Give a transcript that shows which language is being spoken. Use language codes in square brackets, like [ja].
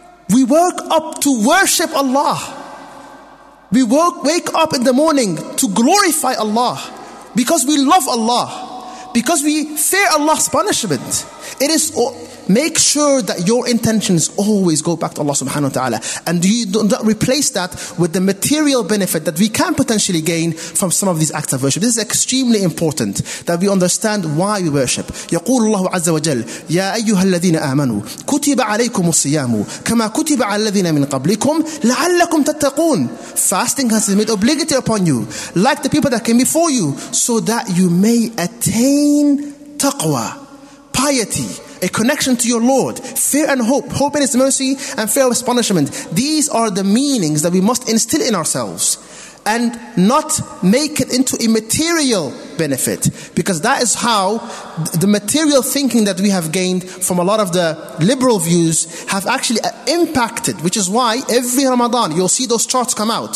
[en] We woke up to worship Allah. We wake up in the morning to glorify Allah because we love Allah, because we fear Allah's punishment. It is, make sure that your intentions always go back to Allah subhanahu wa ta'ala, and you don't replace that with the material benefit that we can potentially gain from some of these acts of worship. This is extremely important that we understand why we worship. [ar] يقول الله عز وجل يا أيها الذين آمنوا كتب عليكم الصيام كما كتب على الذين من قبلكم لعلكم تتقون. [en] Fasting has been made obligatory upon you like the people that came before you, so that you may attain taqwa, piety, a connection to your Lord, fear and hope, hope in His mercy and fear of His punishment. These are the meanings that we must instill in ourselves and not make it into a material benefit, because that is how the material thinking that we have gained from a lot of the liberal views have actually impacted, which is why every Ramadan you'll see those charts come out.